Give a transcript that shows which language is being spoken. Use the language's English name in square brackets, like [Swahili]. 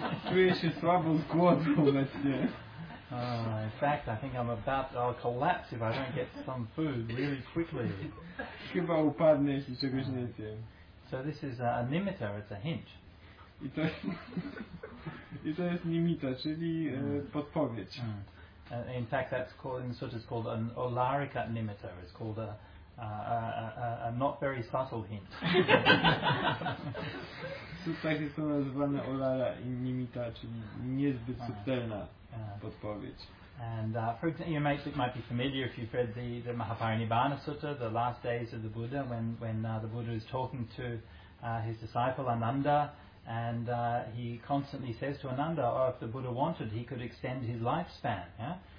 [Polish] Czuję się słabo z głodu obecnie. [English] In fact, I think I'll collapse if I don't get some food really quickly. [Polish] Chyba upadnę, jeśli czegoś nie zjem. [English] So this is a nimitta, it's a hint. [Polish] I to jest nimitta, czyli podpowiedź. Mm. [English] In fact, that's called, in sutras, called an olarika nimitta. It's called a not very subtle hint. [Polish] Sutras są nazywane olara i nimitta, czyli niezbyt subtelna. Podpowiedź. [English] And for example, you might be familiar if you've read the Mahaparinibbana Sutta, the last days of the Buddha, when the Buddha is talking to his disciple Ananda, and he constantly says to Ananda, oh, if the Buddha wanted, he could extend his lifespan. Yeah?